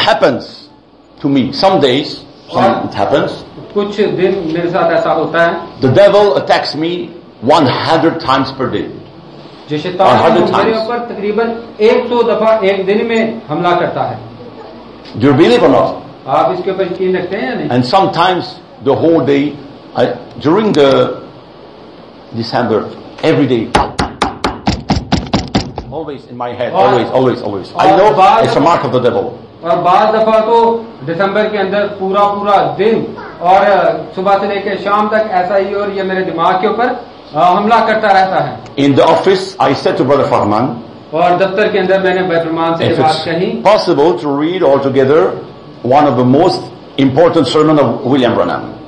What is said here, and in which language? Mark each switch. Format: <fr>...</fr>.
<en>it happens to me some days it happens</en> <hi>कुछ दिन मेरे साथ ऐसा होता है</hi> <en>the devil attacks me 100 times per day</en> <hi>जो शैतान मेरे ऊपर तकरीबन 100 दफा एक दिन में हमला करता है</hi> <en>Do you believe or not?</en> <hi>आप इसके ऊपर यकीन रखते हैं या नहीं?</hi> <en>And sometimes the whole day, during the December, every day, always in my head, always. I know it's a mark of the devil.</en> <hi>और बार दफा तो दिसंबर के अंदर पूरा पूरा दिन और सुबह से लेकर शाम तक ऐसा ही और ये मेरे दिमाग के ऊपर हमला करता रहता है</hi> <en>in the office I said to brother Farman</en> <hi>और दफ्तर के अंदर मैंने ब्रदर फरमान से बात कही</hi> <en>possible to read all together one of the most important sermon of William Branham</en>